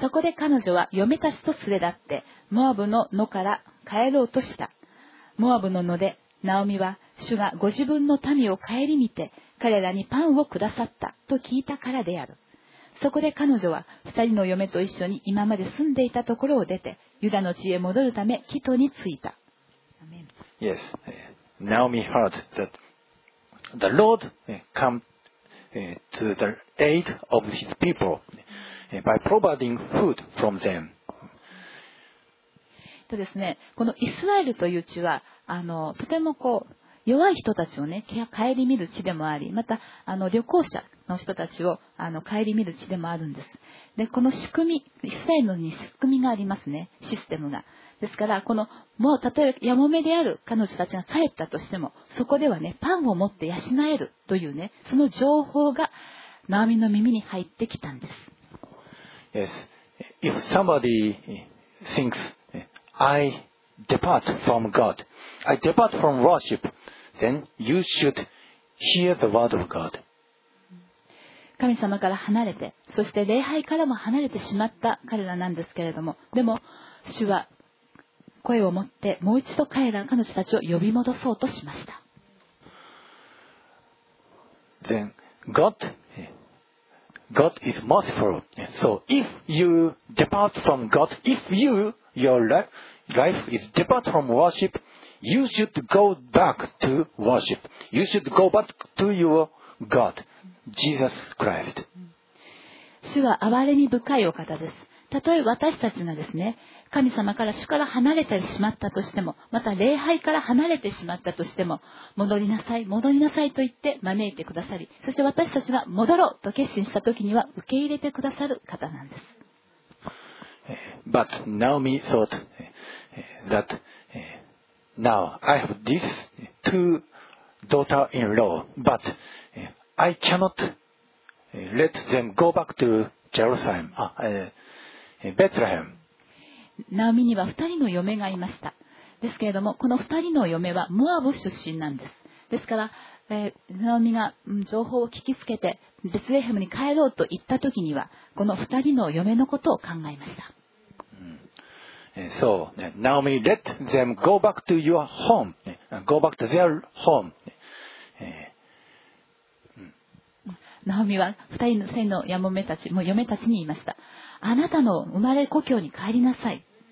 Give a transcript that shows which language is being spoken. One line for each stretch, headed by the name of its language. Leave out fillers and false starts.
Japanese: そこで彼女は嫁たちと連れ立って、モアブの野から帰ろうとした。モアブの野で、ナオミは主がご自分の民を顧みて、彼らにパンをくださったと聞いたからである。そこで彼女は2人の嫁と一緒に今まで住んでいたところを出て、ユダの地へ戻るためキトに着いた。
English: Yes, Naomi heard that the Lord come to the aid of his people by providing food from them.
Japanese: とですね、このイスラエルという地はとてもこう弱い人たちをね、顧みる地でもあり、また旅行者の人たちを顧みる地でもあるんです。で、この仕組み、イスラエルに仕組みがありますね、システムが。ですから、この、もう、例えばヤモメである彼女たちが帰ったとしても、そこではね、パンを持って養えるというね、その情報がナオミの耳に入ってきたんです。
English: Yes. If somebody thinks, I depart from God, I depart from worship,Then you should hear the word of God.
Japanese: 神様から離れて、そして礼拝からも離れてしまった彼らなんですけれども、でも主は声を持ってもう一度彼女たちを呼び戻そうとしました。
English: Then God is merciful. So if you depart from God, if you your life is depart from worship,You should go back to worship. You should go back to your God, Jesus Christ.
Japanese: 主は憐れみ深いお方です。たとえ私たちがですね、神様から主から離れてしまったとしても、また礼拝から離れてしまったとしても、戻りなさい、戻りなさいと言って招いてくださり、そして私たちが戻ろうと決心したときには受け入れてくださる方なんです。
English: But Naomi thought that. Now, I have these two daughter-in-law, but I cannot let them go back to Jerusalem, Bethlehem.
Japanese: ナオミには二人の嫁がいました。ですけれども、この二人の嫁はモアブ出身なんです。ですから、ナオミが情報を聞きつけて、ベツレヘムに帰ろうと言ったときには、この二人の嫁のことを考えました。
English: So, Naomi, let them go back to your home, go back to their home.
Japanese: ナオミは二人のヤモメたち、もう嫁たちに言いました。あなたの生まれ故郷に帰りなさい。